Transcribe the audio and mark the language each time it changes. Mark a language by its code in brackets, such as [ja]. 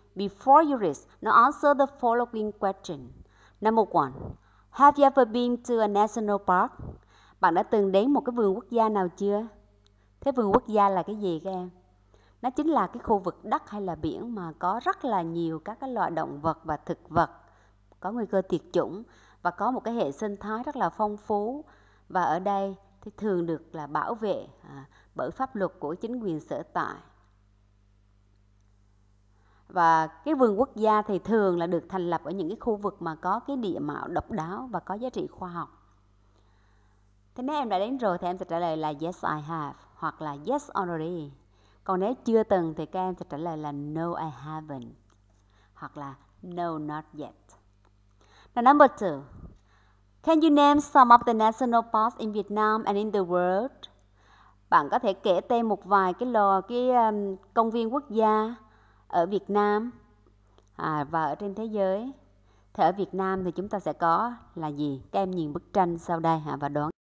[en] Before you read, now answer the following question. Number 1. Have you ever been to a national park? [vi] Bạn đã từng đến một cái vườn quốc gia nào chưa? Thế vườn quốc gia là cái gì các em? Nó chính là cái khu vực đất hay là biển mà có rất là nhiều các cái loại động vật và thực vật có nguy cơ tuyệt chủng và có một cái hệ sinh thái rất là phong phú. Và ở đây thì thường được là bảo vệ bởi pháp luật của chính quyền sở tại. Và cái vườn quốc gia thì thường là được thành lập ở những cái khu vực mà có cái địa mạo độc đáo và có giá trị khoa học. Thế nếu em đã đến rồi thì em sẽ trả lời là [en] yes I have [vi] hoặc là [en] yes already. [vi] Còn nếu chưa từng thì các em sẽ trả lời là [en] no I haven't [vi] hoặc là [en] no not yet. Now, number two. Can you name some of the national parks in Vietnam and in the world? [vi] Bạn có thể kể tên một vài cái lò cái công viên quốc gia ở Việt Nam và ở trên thế giới. Thì ở Việt Nam thì chúng ta sẽ có là gì? Các em nhìn bức tranh sau đây và đoán.